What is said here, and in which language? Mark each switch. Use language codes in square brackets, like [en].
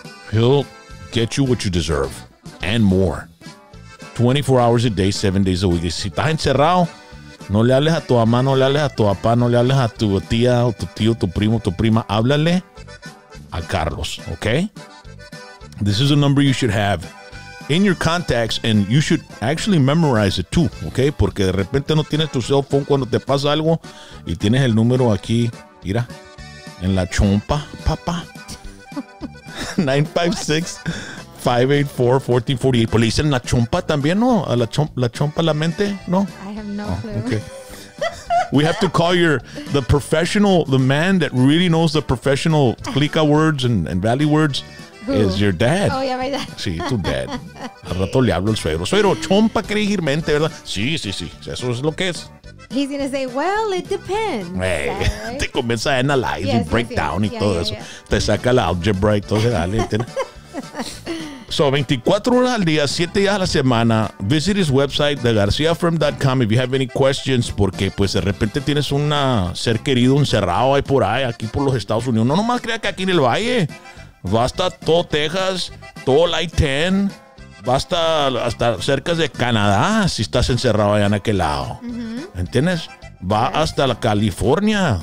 [en] He'll get you what you deserve. And more. 24 hours a day, 7 days a week. [es] Y si estás encerrado, no le hables a tu mamá, no le hables a tu papá, no le hables a tu tía, o tu tío, tu primo, tu prima. Háblale a Carlos, okay? [en] This is a number you should have in your contacts, and you should actually memorize it too, okay? [es] Porque de repente no tienes tu cell phone cuando te pasa algo y tienes el número aquí, mira, en la chompa, papá. 956. 584-1448. Pues le dicen la chompa también, ¿no? A la chompa, la mente, ¿no? [en] I have no clue. Okay. We have to call the professional, the man that really knows the professional clica words and valley words. Who? Is your dad. Oh, yeah, my dad. [es] Sí, tu dad. Al rato le hablo al suegro. Suegro, chompa quiere decir mente, ¿verdad? Sí. Eso es lo que es. [en] He's going to say, well, it depends. Hey, right? [es] Te comienza a [en] analyze, yes, y breakdown, yes, yes. [es] Y todo, [en] yeah, eso. Yeah, yeah. [es] Te saca la algebra y todo, dale, ¿entiendes? So 24 horas al día, 7 días a la semana. [en] Visit his website, thegarciafirm.com, if you have any questions. [es] Porque pues de repente tienes un ser querido encerrado ahí por ahí, aquí por los Estados Unidos. No nomás crea que aquí en el valle. Basta todo Texas, todo I-10. Basta hasta cerca de Canadá si estás encerrado allá en aquel lado. Mm-hmm. ¿Entiendes? Va, yeah, hasta la California.